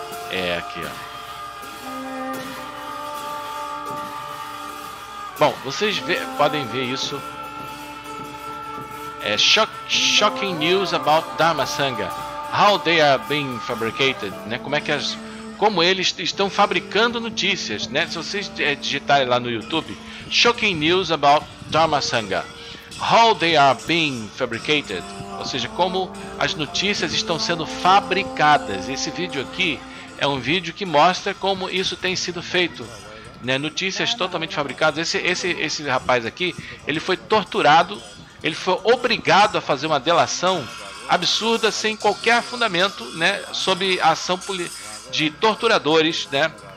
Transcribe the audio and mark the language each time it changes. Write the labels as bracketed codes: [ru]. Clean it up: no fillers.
[pt] É aqui, ó. Bom, vocês podem ver isso. [en] Shocking news about Dharma Sangha. How they are being fabricated, né? [pt] Como eles estão fabricando notícias, né? Se vocês digitarem lá no YouTube, [en] Shocking news about Dharma Sangha. How they are being fabricated. [pt] Ou seja, como as notícias estão sendo fabricadas. Esse vídeo aqui é um vídeo que mostra como isso tem sido feito, né? Notícias totalmente fabricadas. Esse rapaz aqui, ele foi torturado. Ele foi obrigado a fazer uma delação absurda, sem qualquer fundamento, né, sob a ação de torturadores, né.